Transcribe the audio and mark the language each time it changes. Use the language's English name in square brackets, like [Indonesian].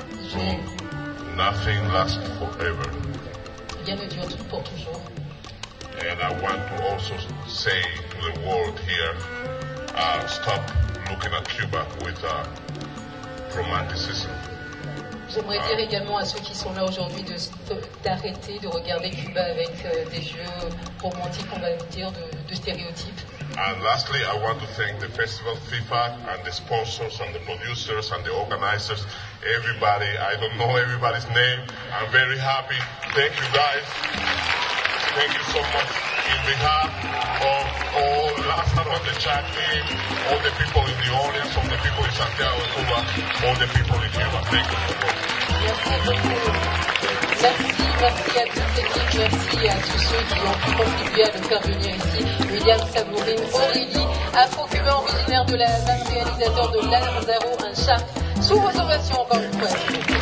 [English] So nothing lasts forever. [French] Rien ne dure pour toujours. [English] And I want to also say to the world here, stop looking at Cuba with romanticism. [French] J'aimerais dire également à ceux qui sont là aujourd'hui d'arrêter de regarder Cuba avec des yeux romantiques, on va dire, de stéréotypes. [English] And lastly, I want to thank the festival FIFA and the sponsors and the producers and the organizers, everybody. I don't know everybody's name. I'm very happy. Thank you guys. Thank you so much. In behalf of all Lazaro and the chat team, all the people in the audience, all the people in Santiago de Cuba, all the people in Cuba. Thank you so much. [French] Merci, merci à toutes les équipes, merci à tous ceux qui ont pu contribuer à le faire venir ici. William Savourine, Aurélie, afro-cubain originaire de la Havane, réalisateur de Lazaro, un chat, sous vos ovations encore une fois.